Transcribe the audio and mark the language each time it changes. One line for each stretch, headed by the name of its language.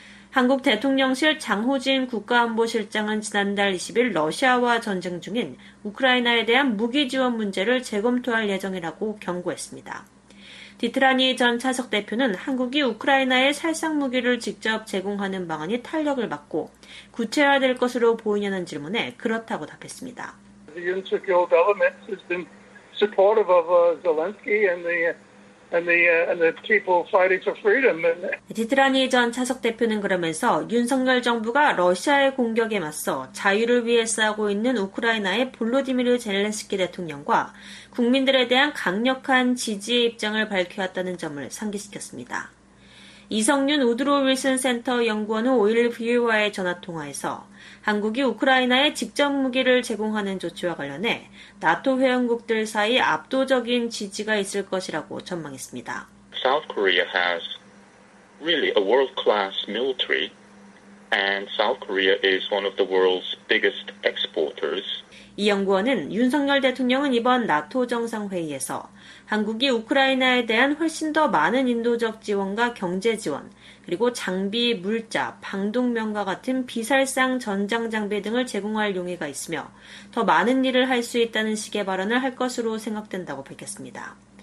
Korean: 한국 대통령실 장호진 국가안보실장은 지난달 20일 러시아와 전쟁 중인 우크라이나에 대한 무기 지원 문제를 재검토할 예정이라고 경고했습니다. 디트라니 전 차석 대표는 한국이 우크라이나에 살상 무기를 직접 제공하는 방안이 탄력을 받고 구체화될 것으로 보이냐는 질문에 그렇다고 답했습니다.
English: The Insecure government has been supportive of Zelensky and the people fighting for freedom.
Korean: 디트라니 전 차석 대표는 그러면서 윤석열 정부가 러시아의 공격에 맞서 자유를 위해 싸우고 있는 우크라이나의 볼로디미르 젤렌스키 대통령과 국민들에 대한 강력한 지지의 입장을 밝혀왔다는 점을 상기시켰습니다. 이성윤 우드로 윌슨 센터 연구원은 5일 VOA와의 전화통화에서 한국이 우크라이나에 직접 무기를 제공하는 조치와 관련해 나토 회원국들 사이 압도적인 지지가 있을 것이라고 전망했습니다.
English: South Korea has really a world-class military and South Korea is one of the world's biggest exporters.
Korean: 이 연구원은 윤석열 대통령은 이번 나토 정상회의에서 한국이 우크라이나에 대한 훨씬 더 많은 인도적 지원과 경제 지원, 그리고 장비, 물자, 방독면과 같은 비살상 전장 장비 등을 제공할 용의가 있으며 더 많은 일을 할 수 있다는 식의 발언을 할 것으로 생각된다고 밝혔습니다.